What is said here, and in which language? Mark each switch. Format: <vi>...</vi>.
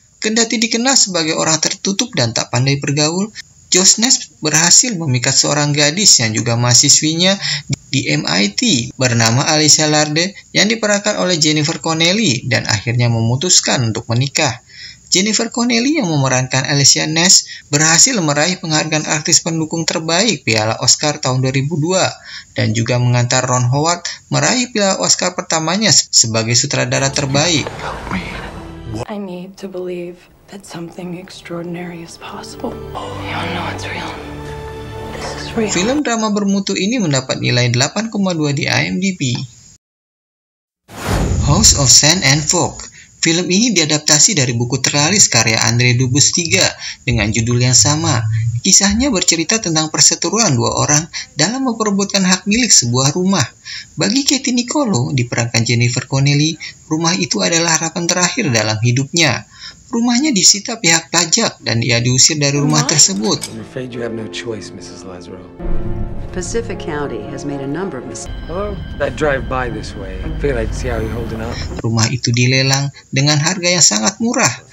<id>Kendati dikenal sebagai orang tertutup dan tak pandai bergaul, Josh Nash berhasil memikat seorang gadis yang juga mahasiswinya di MIT bernama Alicia Larde yang diperankan oleh Jennifer Connelly dan akhirnya memutuskan untuk menikah. Jennifer Connelly yang memerankan Alicia Nash berhasil meraih penghargaan artis pendukung terbaik Piala Oscar tahun 2002 dan juga mengantar Ron Howard meraih Piala Oscar pertamanya sebagai sutradara terbaik.</id> <en>I need to believe that something extraordinary is possible. You know it's real. This is real.</en> <id>Film drama bermutu ini mendapat nilai 8,2 di IMDb.</id> <en>House of Sand and Fog.</en> <id>Film ini diadaptasi dari buku terlaris karya Andre Dubus III dengan judul yang sama. Kisahnya bercerita tentang perseteruan dua orang dalam memperebutkan hak milik sebuah rumah. Bagi Katie Nicolo, diperankan Jennifer Connelly, rumah itu adalah harapan terakhir dalam hidupnya. Rumahnya disita pihak pajak dan ia diusir dari rumah tersebut.</id> <en>I'm afraid you have no choice, Mrs. Lazaro. Pacific County has made a number of mistakes. Hello? I drive by this way. I feel like see how you're holding up.</en> <id>Rumah itu dilelang dengan harga yang sangat murah.</id>